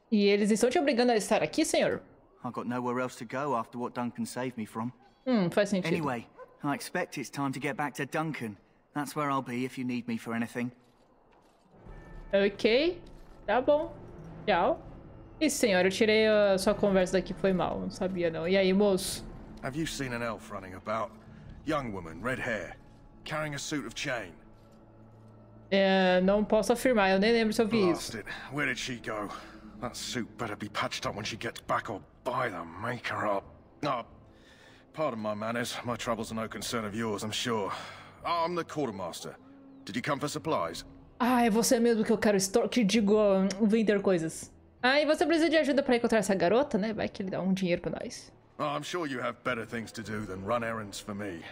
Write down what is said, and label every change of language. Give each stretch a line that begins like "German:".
Portuguese: E eles estão te obrigando a estar aqui, senhor?
English: I got nowhere else to go after what Duncan saved me from.
Portuguese: Faz sentido.
English: Anyway, I expect it's time to get back to Duncan. That's where I'll be if you need me for anything.
Portuguese: Okay, tá bom. Tchau. E senhor, eu tirei a sua conversa daqui, foi mal, não sabia não. E aí, moço?
English: Have you seen an elf running about? Young woman, red hair, carrying a suit of chain.
Portuguese: Não posso afirmar, eu nem lembro se eu vi isso.
English: Blast it. Where did she go? That suit better be patched up when she gets back, or by the maker, Pardon my manners. My troubles are no concern of yours, I'm sure. I'm the quartermaster. Did you come for supplies?
Portuguese: Ah, é você mesmo que eu quero estoque, digo, vender coisas. Ah, e você precisa de ajuda pra encontrar essa garota, né? Vai que ele dá um dinheiro pra nós.
English: Oh, I'm sure you have better things to do than run errands for me.